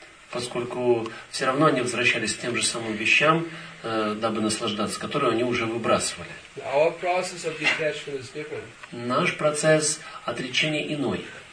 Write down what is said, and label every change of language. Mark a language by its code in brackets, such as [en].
[ru] Поскольку все равно они возвращались к тем же самым вещам, дабы наслаждаться, которые они уже выбрасывали. [en] Our process of detachment is different. [ru] Наш процесс отречения иной.